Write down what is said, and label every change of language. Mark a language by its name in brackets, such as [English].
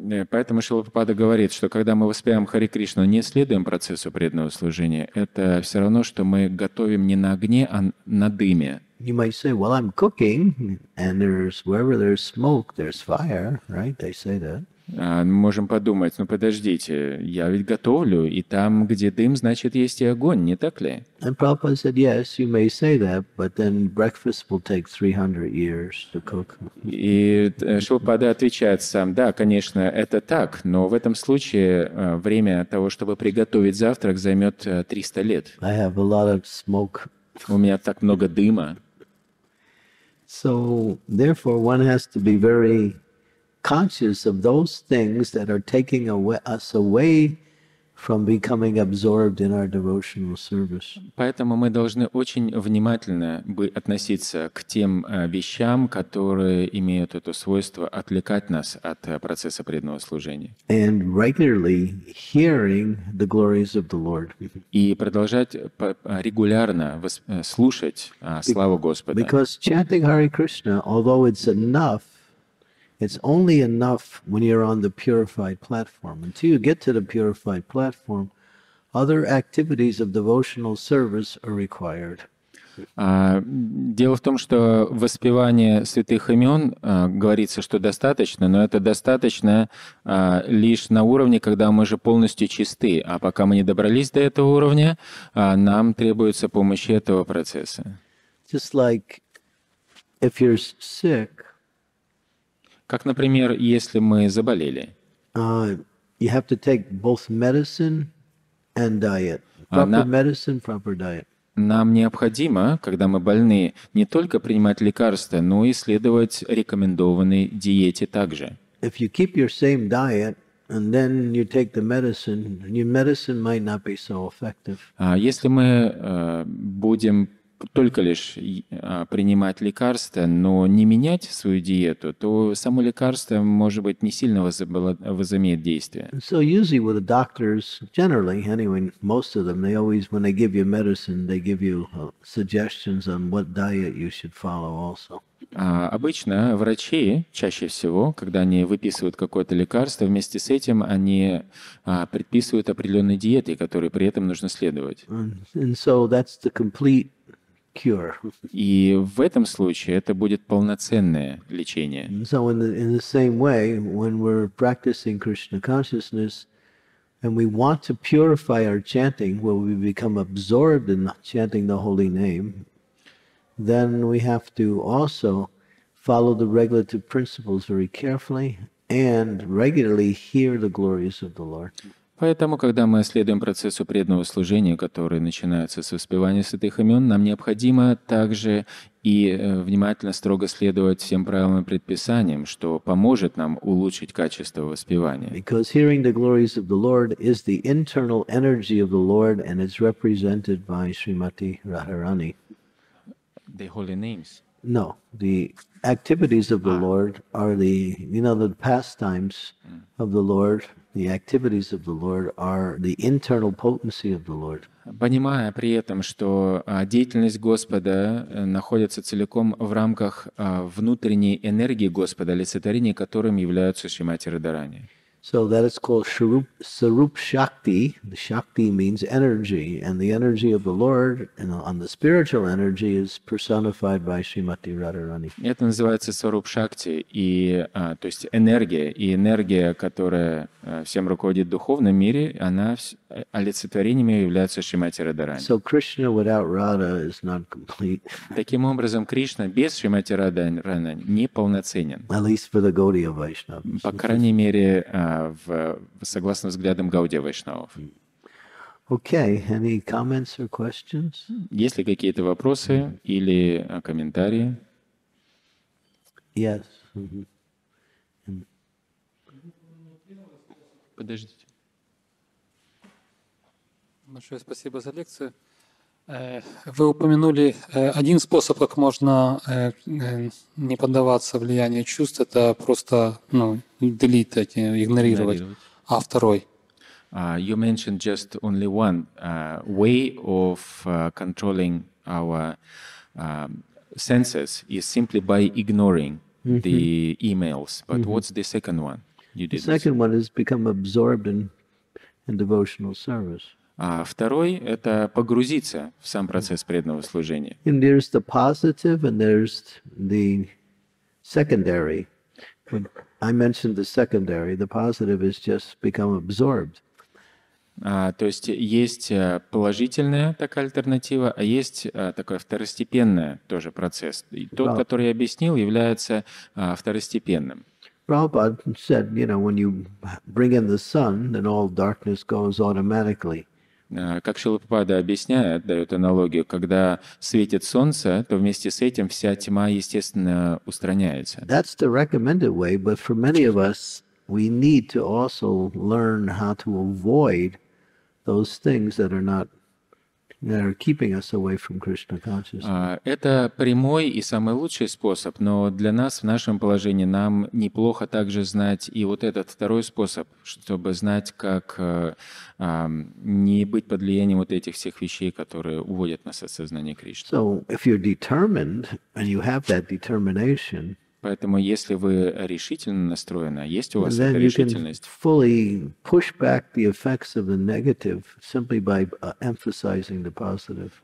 [Russian] Поэтому Шрила Прабхупада говорит, что когда мы воспеваем Хари Кришну, не следуем процессу преданного служения, это все равно, что мы готовим не на огне, а на дыме. [English] You might say, well, I'm cooking, and there's wherever there's smoke, there's fire, right? They say that. [Russian] Мы можем подумать, ну подождите, я ведь готовлю, и там, где дым, значит, есть и огонь, не так ли? [English] And Prabhupada said, yes, you may say that, but then breakfast will take 300 years to cook. [Russian] И Шилпада отвечает сам, да, конечно, это так, но в этом случае время того, чтобы приготовить завтрак, займет 300 лет. [English] I have a lot of smoke. [Russian] У меня так много дыма. [English] So, therefore, one has to be very conscious of those things that are taking away, us away from becoming absorbed in our devotional service. [Russian] Поэтому мы должны очень внимательно относиться к тем вещам, которые имеют это свойство отвлекать нас от процесса преданного служения. [English] And regularly hearing the glories of the Lord. [Russian] И продолжать регулярно слушать славу Господа. [English] Because chanting Hare Krishna, although it's enough, it's only enough when you're on the purified platform. Until you get to the purified platform, other activities of devotional service are required. [Russian] Дело в том, что воспевание святых имен говорится, что достаточно, но это достаточно лишь на уровне, когда мы же полностью чисты. А пока мы не добрались до этого уровня, нам требуется помощь этого процесса. [English] Just like if you're sick, [Russian] как, например, если мы заболели. [English] You have to take both medicine and diet. Proper medicine, proper diet. [Russian] Нам необходимо, когда мы больны, не только принимать лекарства, но и следовать рекомендованной диете также. [English] If you keep your same diet, and then you take the medicine, your medicine might not be so effective. [Russian] Если мы будем только лишь принимать лекарства, но не менять свою диету, то само лекарство, может быть, не сильно возымеет действие. [English] So usually with the doctors, generally, anyway, most of them, they always, when they give you medicine, they give you suggestions on what diet you should follow also. [Russian] Обычно врачи, чаще всего, когда они выписывают какое-то лекарство, вместе с этим они предписывают определенные диеты, которые при этом нужно следовать. [English] And so that's the complete cure. [Russian] И в этом случае это будет полноценное лечение. [English] So in the same way, when we're practicing Krishna consciousness and we want to purify our chanting, where we become absorbed in chanting the holy name, then we have to also follow the regulative principles very carefully and regularly hear the glories of the Lord. [Russian] Поэтому, когда мы следуем процессу преданного служения, который начинается с воспевания святых имен, нам необходимо также и внимательно, строго следовать всем правилам и предписаниям, что поможет нам улучшить качество воспевания. [English] Because hearing the glories of the Lord is the internal energy of the Lord, and it's represented by Srimati Radharani. The holy names. No, the activities of the Lord are the, you know, the pastimes of the Lord. The activities of the Lord are the internal potency of the Lord. [Russian] Понимая при этом, что деятельность Господа находится целиком в рамках внутренней энергии Господа, олицетворение которым являются Шримати Радарани. [English] So that is called Sarup Shakti. The Shakti means energy, and the energy of the Lord, you know, on the spiritual energy, is personified by Srimati Radharani. [Russian] Это называется Сваруп Шакти, и то есть энергия, и энергия, которая всем руководит в духовном мире, она олицетворением ее является Шримати Радарани. [English] So Krishna without Radha is not complete. [Russian] Таким образом, Кришна без Шримати Радарани не полноценен. [English] At least for the Gaudiya Vaishnavas. [Russian] По крайней мере, согласно взглядам Гаудия Вайшнавов. [English] Okay, any comments or questions? [Russian] Есть ли какие-то вопросы или комментарии? [English] Yes. [Russian] Подождите. Большое спасибо за лекцию. Вы упомянули один способ, как можно не поддаваться влиянию чувств, это просто ну, delete, игнорировать. А второй? [English] You mentioned just only one way of controlling our senses is simply by ignoring the emails. But what's the second one? You did the second one is become absorbed in devotional service. [Russian] А второй – это погрузиться в сам процесс преданного служения. [English] And there's the positive and there's the secondary. When I mentioned the secondary, the positive is just become absorbed. [Russian] То есть есть положительная такая альтернатива, а есть такой второстепенный тоже процесс. И тот, который я объяснил, является второстепенным. [English] Prabhupada said, you know, when you bring in the sun, then all darkness goes automatically. [Russian] Как Шрила Прабхупада объясняет, дает аналогию, когда светит солнце, то вместе с этим вся тьма, естественно, устраняется. [English] That's the recommended way, but for many of us, we need to also learn how to avoid those things that are not that are keeping us away from Krishna consciousness. [Russian] Это прямой и самый лучший способ, но для нас в нашем положении нам неплохо также знать и вот этот второй способ, чтобы знать, как не быть под влиянием вот этих всех вещей, которые уводят нас от сознания Кришны. [English] So if you're determined and you have that determination, [Russian] поэтому если вы решительно настроены, есть у вас эта решительность, [English] then you can fully push back the effects of the negative simply by emphasizing the positive.